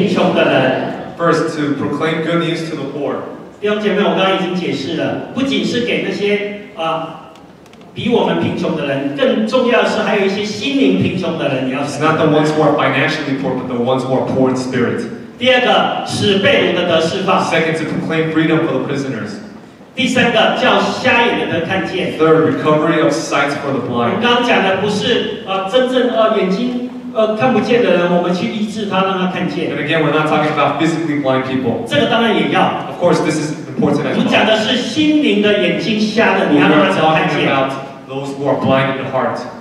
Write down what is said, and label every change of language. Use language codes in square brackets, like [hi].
[zh] 好，是的，我们再复习一次。第一，我们一起读，请传福音给贫穷的人。 [en] First, to proclaim good news to the poor. [zh] 弟兄姐妹，我刚刚已经解释了，不仅是给那些比我们贫穷的人，更重要的是还有一些心灵贫穷的人要。 [en] It's not the ones who are financially poor, but the ones who are poor in spirit. [zh] 第二个，使被掳的得释放。 [en] Second, to proclaim freedom for the prisoners. [zh] 第三个，叫瞎眼的得看见。 [en] Third, recovery of sight for the blind. [zh] 我们刚刚讲的不是真正眼睛。看不见的人，我们去医治他，让他看见。 [en] And again, we're not talking about physically blind people. [zh] 这个当然也要。 [en] Of course, this is important as well. [zh] 你讲的是心灵的眼睛瞎的，你要让他看见。 [en] We're talking about those who are blind in the heart.